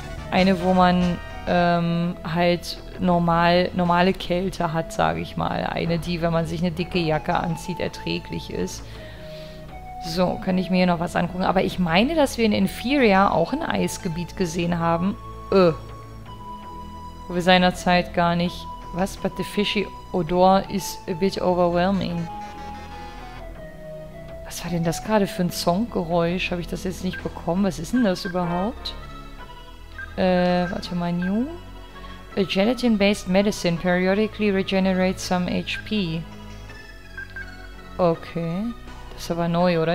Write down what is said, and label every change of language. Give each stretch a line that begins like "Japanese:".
German: Eine, wo man halt normale Kälte hat, sage ich mal. Eine, die, wenn man sich eine dicke Jacke anzieht, erträglich ist. So, kann ich mir hier noch was angucken. Aber ich meine, dass wir in Inferia auch ein Eisgebiet gesehen haben. Wo wir seinerzeit gar nicht... Was?
English: But the fishy odor is a bit overwhelming.
German: Was war denn das gerade für ein Songgeräusch? Habe ich das jetzt nicht bekommen? Was ist denn das überhaupt? Warte mal, New?
English: A gelatin-based medicine periodically regenerates some HP. Okay.
German: Das ist aber neu, oder?